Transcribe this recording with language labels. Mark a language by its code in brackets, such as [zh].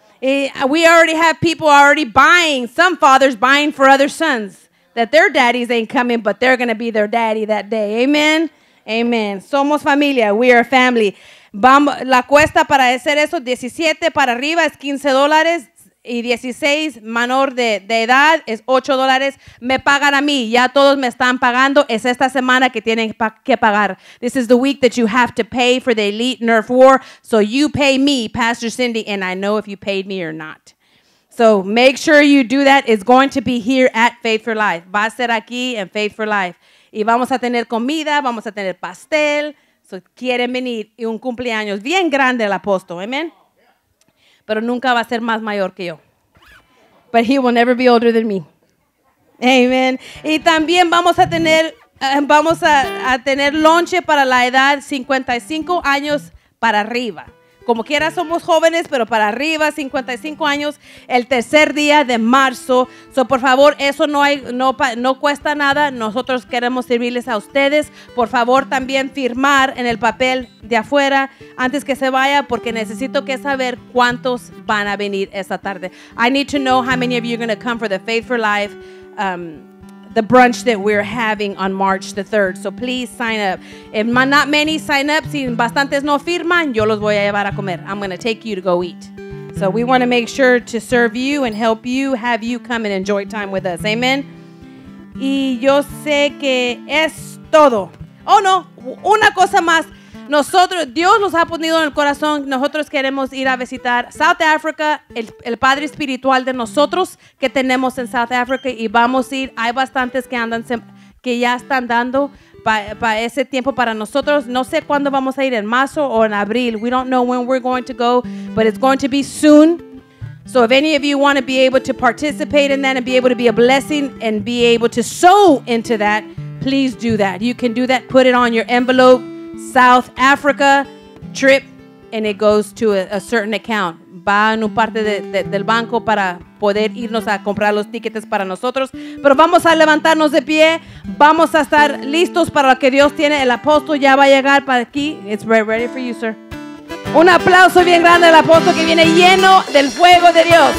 [en] We already have people already buying, some fathers buying for other sons, that their daddies ain't coming, but they're going to be their daddy that day. Amen. Amen. [es] Somos familia. [en] We are family. [es] Vamos, la cuesta para hacer eso, 17 para arriba es $15 y 16 menor de edad es $8. Me pagan a mí, ya todos me están pagando. Es esta semana que tienen que pagar. [en] This is the week that you have to pay for the Elite Nerf War. So you pay me, Pastor Cindy, and I know if you paid me or not. So make sure you do that. It's going to be here at Faith for Life. [es] Va a ser aquí en Faith for Life. Y vamos a tener comida, vamos a tener pastel. So, quieren venir y un cumpleaños bien grande el apóstol, amén. Pero nunca va a ser más mayor que yo. [en] But he will never be older than me. Amén. [es] Y también vamos a tener lonche para la edad 55 años para arriba. Como quiera somos jóvenes, pero para arriba, 55 años, el tercer día de marzo. So, por favor, eso no cuesta nada. Nosotros queremos servirles a ustedes. Por favor, también firmar en el papel de afuera antes que se vaya, porque necesito que saber cuántos van a venir esta tarde. [en] I need to know how many of you are going to come for the Faith for Life, the brunch that we're having on March the 3rd. So please sign up. If not many sign up, [es] si bastantes no firman, yo los voy a llevar a comer. [en] I'm going to take you to go eat. So we want to make sure to serve you and help you, have you come and enjoy time with us. [es] Amen. Y yo sé que es todo. Oh, no, una cosa más. Nosotros, Dios nos ha ponido en el corazón. Nosotros queremos ir a visitar South Africa, el padre espiritual de nosotros que tenemos en South Africa, y vamos a ir. Hay bastantes que andan, que ya están dando para ese tiempo para nosotros. No sé cuándo vamos a ir, en marzo o en abril. [en] We don't know when we're going to go, but it's going to be soon. So if any of you want to be able to participate in that and be able to be a blessing and be able to sow into that, please do that. You can do that. Put it on your envelope. South Africa trip, and it goes to a certain account. [es] Va en un parte del banco para poder irnos a comprar los tiquetes para nosotros. Pero vamos a levantarnos de pie. Vamos a estar listos para lo que Dios tiene. El apóstol ya va a llegar para aquí. [en] It's ready for you, sir. [es] Un aplauso bien grande al apóstol que viene lleno del fuego de Dios.